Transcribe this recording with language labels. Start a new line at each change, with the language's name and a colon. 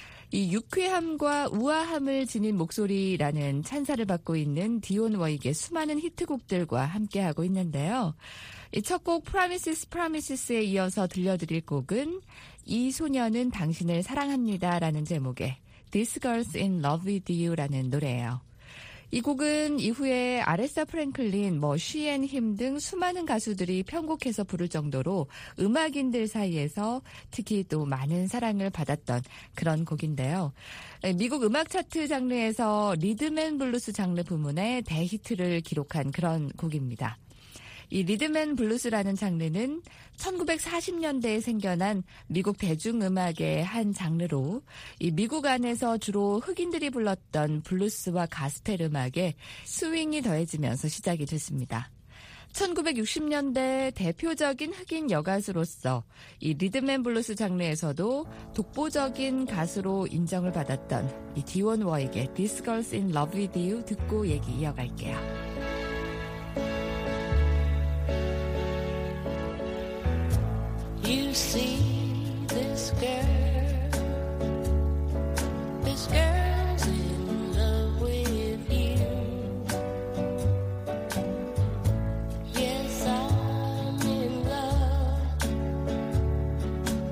Korean: 이 유쾌함과 우아함을 지닌 목소리라는 찬사를 받고 있는 디온 워익의 수많은 히트곡들과 함께하고 있는데요. 이 첫 곡 Promises, Promises에 이어서 들려드릴 곡은 이 소녀는 당신을 사랑합니다라는 제목의 These Girls in Love with You라는 노래예요. 이 곡은 이후에 아레사 프랭클린, 뭐 She and Him 등 수많은 가수들이 편곡해서 부를 정도로 음악인들 사이에서 특히 또 많은 사랑을 받았던 그런 곡인데요. 미국 음악 차트 장르에서 리듬앤블루스 장르 부문의 대히트를 기록한 그런 곡입니다. 이 리듬앤블루스라는 장르는 1940년대에 생겨난 미국 대중음악의 한 장르로 이 미국 안에서 주로 흑인들이 불렀던 블루스와 가스펠 음악에 스윙이 더해지면서 시작이 됐습니다. 1960년대 대표적인 흑인 여가수로서 이 리듬앤블루스 장르에서도 독보적인 가수로 인정을 받았던 이 디원 워에게 This Girl's in Love With You 듣고 얘기 이어갈게요.
English: You see this girl, this girl's in love with you. Yes, I'm in love.